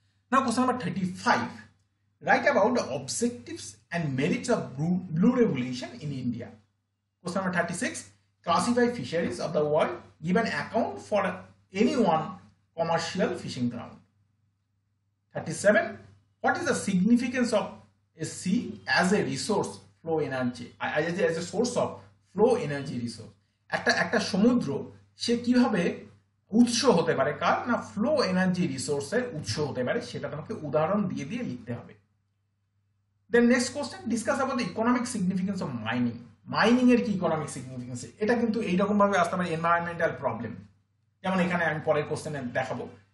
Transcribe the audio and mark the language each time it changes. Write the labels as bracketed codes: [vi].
[en] Now question number 35, write about the objectives and merits of blue regulation in India. Question number 36, classify fisheries of the world, give an account for any one commercial fishing ground. 37, what is the significance of a sea as a resource flow energy, as a source of flow energy resource? [bn] একটা সমুদ্র সে কিভাবে উৎস হতে পারে, কার না flow energy রিসোর্সের উৎস হতে পারে, সেটা তোমাকে উদাহরণ দিয়ে দিয়ে লিখতে হবে। [en] Then next question, discuss about the economic significance of mining. [bn] Mining এর কি ইকোনমিক সিগনিফিকেন্স, এটা কিন্তু এইরকম ভাবে আসতে পারে, এনভায়রনমেন্টাল প্রবলেম, যেমন এখানে আমি পরের কোশ্চেনে দেখাবো।